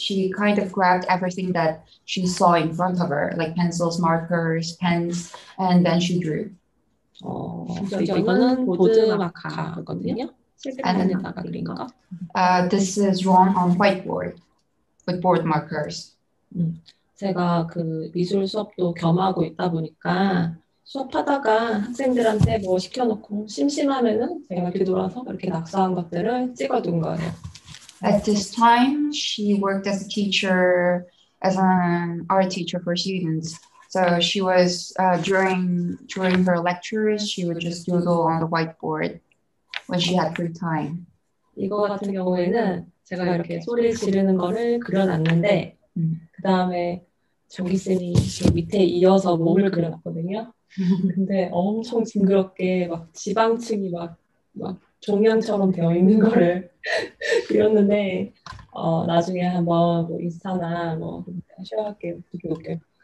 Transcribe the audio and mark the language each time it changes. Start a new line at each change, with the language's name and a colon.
English: She kind of grabbed everything that she saw in front of her, like pencils, markers, pens, and then she drew.
Korean: 이거는 보드마카거든요.
English: And then, this is drawn on whiteboard with board markers.
Korean: 제가 그 미술 수업도 겸하고 있다 보니까 수업하다가 학생들한테 뭐 시켜놓고 심심하면은 제가 뒤돌아서 이렇게 낙서한 것들을 찍어둔 거예요.
English: At this time, she worked as a teacher, as an art teacher for students. So she was during her lectures, she would just doodle on the whiteboard. When she had free time.
Korean: 이거 같은 경우에는 제가 이렇게 소리를 지르는 거를 그려놨는데 그 다음에 정기 쌤이 밑에 이어서 몸을 그려놨거든요. 근데 엄청 징그럽게 막 지방층이 막 종양처럼 되어 있는 거를 그렸는데 나중에 한번 뭐 인스타나 뭐 쉬어갈게 어떻게 올게.